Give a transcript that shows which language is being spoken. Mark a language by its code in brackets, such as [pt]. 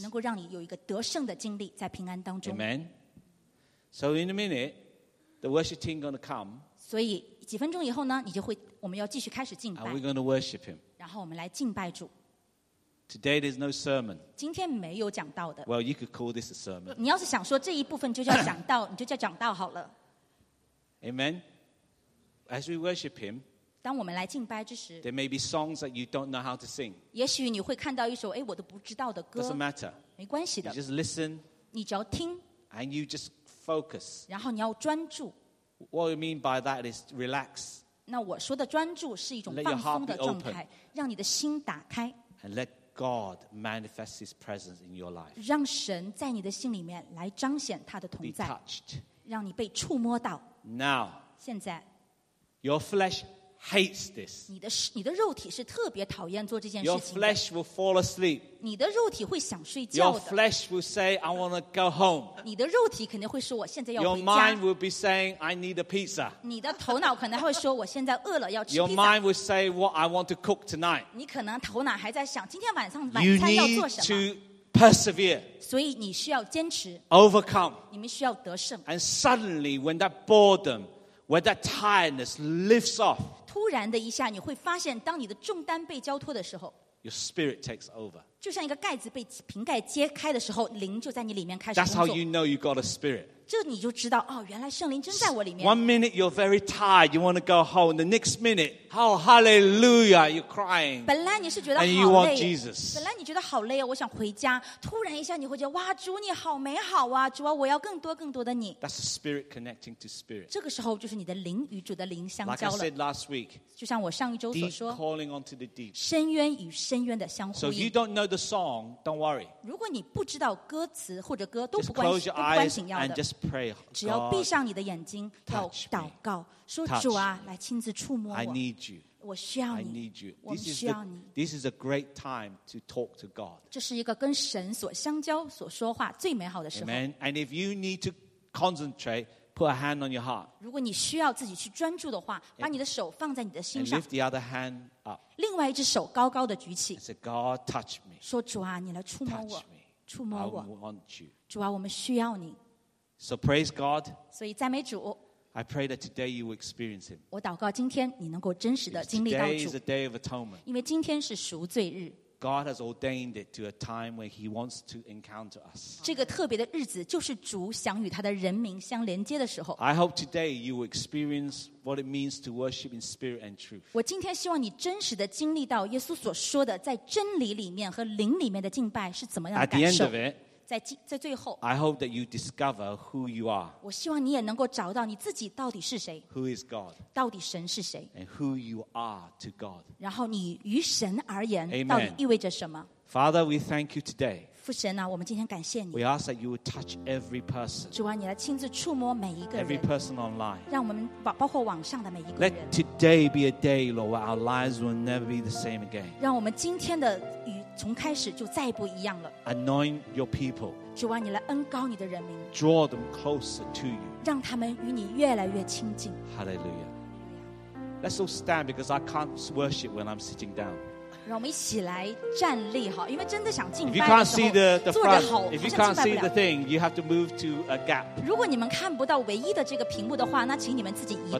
[zh] 能够让你有一个得胜的经历在平安当中。 [en] Amen. So in a minute, the worship team is going to come. [zh] 所以几分钟以后呢，你就会我们要继续开始敬拜。 [en] And we're going to worship him. [zh] 然后我们来敬拜主。 [en] Today there's no sermon. [zh] 今天没有讲到的。 [en] Well, you could call this a sermon. [zh] 你要是想说这一部分就叫讲道，你就叫讲道好了。 [en] Amen. As we worship him. [zh] 当我们来敬拜之时， [en] There may be songs that you don't know how to sing. [zh] 也许你会看到一首哎我都不知道的歌。 [en] Doesn't matter. [zh] 没关系的。 [en] You just listen. [zh] 你只要听。 [en] And you just focus. [zh] 然后你要专注。 [en] What you mean by that is relax. [zh] 那我说的专注是一种放松的状态， [en] Let your heart be open. [zh] 让你的心打开。 [en] And let God manifest His presence in your life. [zh] 让神在你的心里面来彰显他的同在。 [en] Be touched. [zh] 让你被触摸到。 [en] Now. [zh] 现在。 [en] Your flesh. Hates this. [zh] 你的肉体是特别讨厌做这件事情的。 [en] Your flesh will fall asleep. [zh] 你的肉体会想睡觉的。 [en] Your flesh will say, "I want to go home." [zh] 你的肉体肯定会说，我现在要回家。 [en] Your mind will be saying, "I need a pizza." [zh] 你的头脑可能会说，我现在饿了，要吃披萨。 [en] Your mind will say, "What I want to cook tonight." [zh] 你可能头脑还在想，今天晚上晚餐要做什么。 [en] You need to persevere. [zh] 所以你需要坚持。 [en] Overcome. [zh] 你们需要得胜。 [en] And suddenly, when that boredom, when that tiredness lifts off. [zh] 突然的一下你会发现当你的重担被交托的时候 [en] Your spirit takes over. [zh] 就像一个盖子被瓶盖揭开的时候灵就在你里面开始工作 [en] That's how you know you got a spirit. [zh] 这你就知道、哦、原来圣灵真在我里面 [en] One minute you're very tired you want to go home The next minute Oh hallelujah you're crying [zh] 本来你是觉得好累 [en] And you want Jesus [zh] 本来你觉得好累、哦、我想回家突然一下你会觉得哇主你好美好啊主啊我要更多更多的你 [en] That's the spirit connecting to spirit [zh] 这个时候就是你的灵与主的灵相交了 [en] Like I said last week [zh] 就像我上一周所说 [en] Deep calling onto the deep [zh] 深渊与深渊的相呼应 [en] So if you don't know the song don't worry [zh] 如果你不知道歌词或者歌都不关心不关紧要的 [en] Pray, God, [zh] 只要闭上你的眼睛要祷告说主啊来亲自触摸我 [en] I need you. [zh] 我需要你 [en] I need you. [zh] 我们需要你 [en] this is a great time to talk to God. [zh] 这是一个跟神所相交所说话最美好的时候 [en] Amen. And if you need to concentrate, put a hand on your heart. [zh] 如果你需要自己去专注的话把你的手放在你的心上 [en] And lift the other hand up. [zh] 另外一只手高高的举起 [en] Say, God, touch me. [zh] 说主啊你来触摸我 [en] touch me. [zh] 触摸我 [en] I want you. [zh] 主啊我们需要你 [en] So praise God. [zh] 所以赞美主。 [en] I pray that today you will experience Him. [zh] 我祷告今天你能够真实的经历到主。 [en] Today is a day of atonement. [zh] 因为今天是赎罪日。 [en] God has ordained it to a time when He wants to encounter us. [zh] 这个特别的日子就是主想与他的人民相连接的时候。 [en] I hope today you will experience what it means to worship in spirit and truth. [zh] 我今天希望你真实的经历到耶稣所说的在真理里面和灵里面的敬拜是怎么样的感受。 [en] At the end of it. [zh] 在最后 [en] I hope that you discover who you are. [zh] 我希望你也能够找到你自己到底是谁。 [en] Who is God? [zh] 到底神是谁。 [en] And who you are to God. [zh] 然后你与神而言 [en] Amen. [zh] 到底意味着什么。 [en] Father, we thank you today. [zh] 父神啊，我们今天感谢你。 [en] We ask that you would touch every person. [zh] 主啊，你来亲自触摸每一个人。 [en] Every person online. [zh] 让我们包括网上的每一个人。 [en] Let today be a day, Lord, where our lives will never be the same again. [zh] 让我们今天的与从开始就再不一样了。 [en] Anoint your people. [zh] 主啊，你来恩膏你的人民。 [en] Draw them closer to you. [zh] 让他们与你越来越亲近。 [en] Hallelujah. Let's all stand because I can't worship when I'm sitting down. [zh] 让我们一起来站立好，因为真的想敬拜的时候，坐得好，好像敬拜不了。 [en] If you can't see the thing, you have to move to a gap. [zh] 如果你们看不到唯一的这个屏幕的话，那请你们自己移动。